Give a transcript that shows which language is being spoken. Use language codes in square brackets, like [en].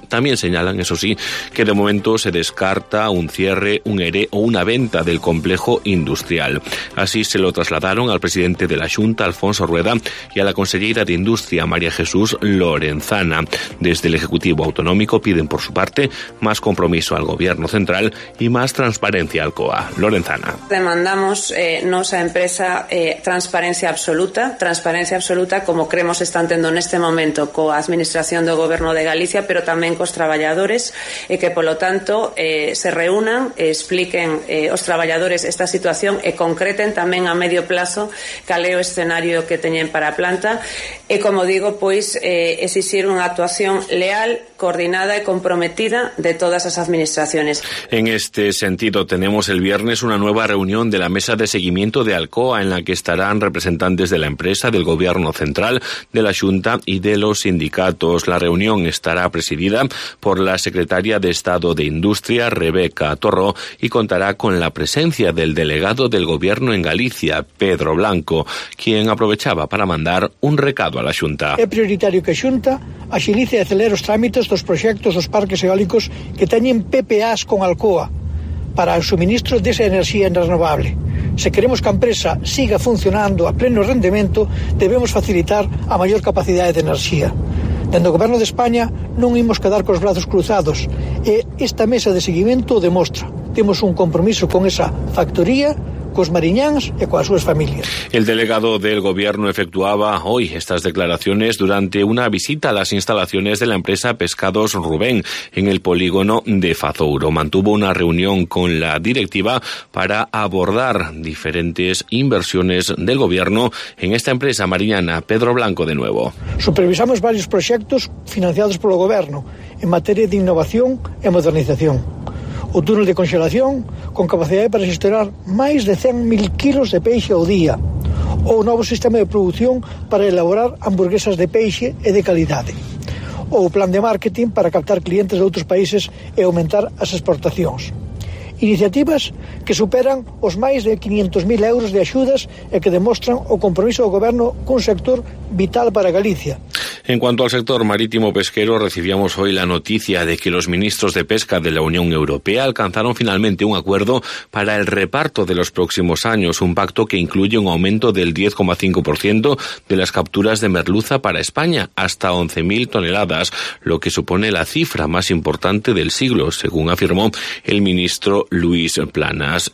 [es] También señalan, eso sí, que de momento se descarta un cierre, un ERE o una venta del complejo industrial. Así se lo trasladaron al presidente de la Xunta, Alfonso Rueda, y a la consejera de Industria, María Jesús Lorenzana. Desde el Ejecutivo Autonómico piden, por su parte, más compromiso al Gobierno Central y más transparencia al COA. Lorenzana. Demandamos nuestra empresa transparencia absoluta, como creemos están teniendo en este momento [gl] COA Administración do Goberno de Galicia, pero tamén cos traballadores, e que, polo tanto, se reúnan, expliquen os traballadores esta situación e concreten tamén a medio plazo cal é o escenario que teñen para a planta e, como digo, pois exixir unha actuación leal, coordinada e comprometida de todas as administraciones. [es] En este sentido, tenemos el viernes unha nueva reunión de la Mesa de Seguimiento de Alcoa en la que estarán representantes de la empresa, del Gobierno Central, de la Xunta y de los sindicatos. La reunión estará presidida por la secretaria de Estado de Industria, Rebeca Torró, y contará con la presencia del delegado del Gobierno en Galicia, Pedro Blanco, quien aprovechaba para mandar un recado a la Xunta. [gl] É prioritario que a Xunta axilice e acelere os trámites dos proxectos dos parques eólicos que teñen PPAs con Alcoa para o suministro desa enerxía renovable. Se queremos que a empresa siga funcionando a pleno rendemento, debemos facilitar a maior capacidade de enerxía. Dende o Goberno de España non imos quedar cos brazos cruzados e esta mesa de seguimento o demostra. Temos un compromiso con esa factoría, cos mariñáns e coas súas familias. [es] El delegado del Gobierno efectuaba hoy estas declaraciones durante una visita a las instalaciones de la empresa Pescados Rubén en el polígono de Fazouro. Mantuvo una reunión con la directiva para abordar diferentes inversiones del Gobierno en esta empresa mariñana. Pedro Blanco de nuevo. Supervisamos varios proyectos financiados por el Gobierno en materia de innovación y modernización. [gl] O túnel de conxelación con capacidade para xestionar máis de 100.000 kilos de peixe ao día. O novo sistema de producción para elaborar hamburguesas de peixe e de calidade. O plan de marketing para captar clientes de outros países e aumentar as exportacións. Iniciativas que superan os máis de 500.000 euros de axudas e que demostran o compromiso do Goberno cun sector vital para Galicia. [es] En cuanto al sector marítimo pesquero, recibíamos hoy la noticia de que los ministros de pesca de la Unión Europea alcanzaron finalmente un acuerdo para el reparto de los próximos años, un pacto que incluye un aumento del 10,5% de las capturas de merluza para España, hasta 11.000 toneladas, lo que supone la cifra más importante del siglo, según afirmó el ministro Luis Planas.